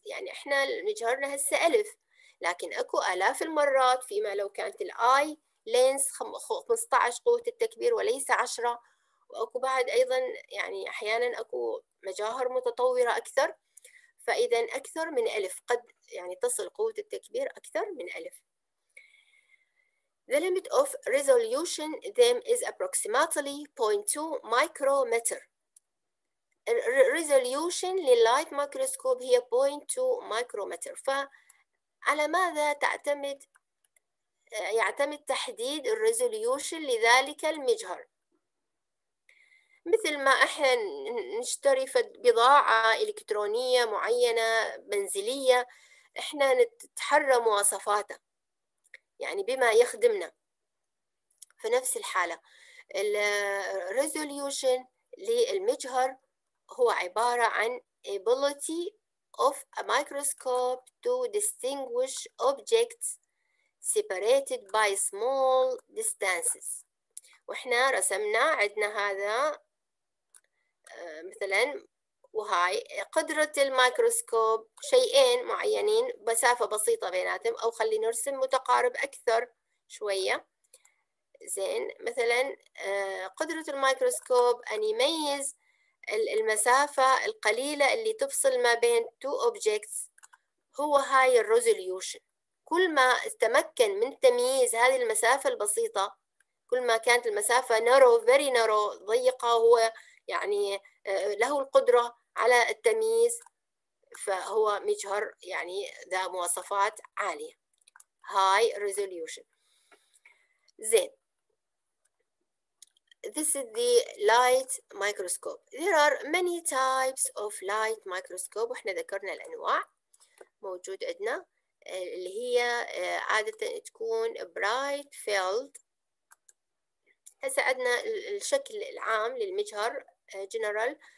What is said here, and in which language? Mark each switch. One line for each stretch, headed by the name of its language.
Arabic: يعني احنا مجهرنا هسه ألف لكن اكو آلاف المرات، فيما لو كانت الآي لينس 15 قوة التكبير وليس 10. وأكو بعد أيضا يعني أحيانا أكو مجاهر متطورة أكثر، فإذا أكثر من ألف قد يعني تصل قوة التكبير أكثر من ألف.
English: The limit of resolution them is approximately 0.2 micrometer.
Arabic: Resolution للايت مايكروسكوب هي 0.2 micrometer. فعلى ماذا تعتمد يعتمد تحديد الريزوليوشن لذلك المجهر؟ مثل ما احنا نشتري بضاعة إلكترونية معينة منزلية احنا نتحرى مواصفاتها يعني بما يخدمنا. في نفس الحالة الريزوليوشن للمجهر هو عبارة عن
English: ability of a microscope to distinguish objects separated by small distances.
Arabic: واحنا رسمنا عندنا هذا مثلا وهاي قدرة الميكروسكوب شيئين معينين مسافة بسيطة بيناتهم، أو خلي نرسم متقارب أكثر شوية. زين مثلا قدرة الميكروسكوب أن يميز المسافة القليلة اللي تفصل ما بين
English: two objects
Arabic: هو هاي الريزوليوشن. كل ما تمكن من تمييز هذه المسافة البسيطة، كل ما كانت المسافة نارو
English: very narrow
Arabic: ضيقة، هو يعني له القدرة على التمييز، فهو مجهر يعني ذا مواصفات عالية
English: high resolution. زين this is the light microscope. There are many types of light microscope.
Arabic: وإحنا ذكرنا الأنواع موجود عندنا اللي هي عادة تكون bright field. هسا عندنا الشكل العام للمجهر general.